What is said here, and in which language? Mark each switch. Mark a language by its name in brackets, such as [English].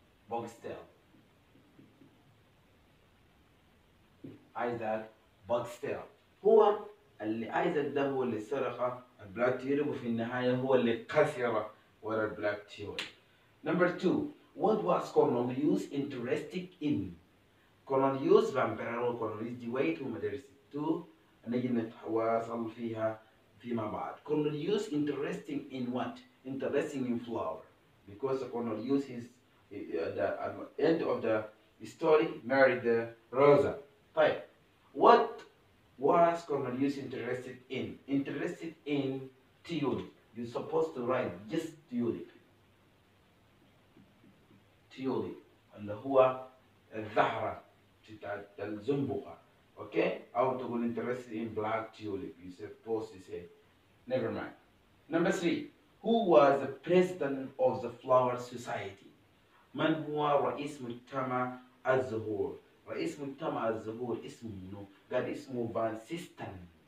[Arabic] بوكستيل ايزاك بوكستيل هو اللي ايزاك ده هو اللي سرق البلاك تيوليب وفي النهاية هو اللي كسر ورا البلاك تيوليب. [English] Number 2 What was Cornelius interested in? [Arabic] Cornelius بامبرارو كورنوليوس دي ويت ومدرسة 2 نجي نتواصل فيها فيما بعد. [English] Cornelius interested in what? Interested in flower. Because Cornelius is the end of the story married the Rosa. طيب What was Cornelius interested in? Interested in tulip. You're supposed to write just tulip. [Arabic] Tulip. اللي هو الزهرة بتاعت الزنبقة. Okay? أو تقول [English] interested in black tulip. You're supposed to say. Never mind. Number 3. Who was the president of the flower society? [Arabic] من هو رئيس مجتمع الزهور؟ رئيس مجتمع الزهور اسمه منو؟ قال اسمه فان سيستن.